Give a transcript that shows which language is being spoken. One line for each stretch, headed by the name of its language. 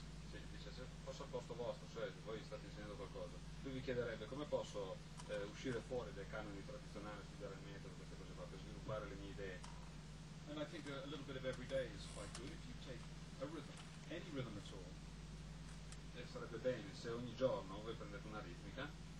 Italian: Sì, dice, se fosse al posto vostro, cioè voi state insegnando qualcosa, lui vi chiederebbe come posso uscire fuori dai canoni tradizionali, studiare il metodo, queste cose qua, per sviluppare le mie idee.
English: And I think a little bit of every day is quite good if you take a rhythm, any rhythm at all.
Italian: E sarebbe bene se ogni giorno voi prendete una ritmica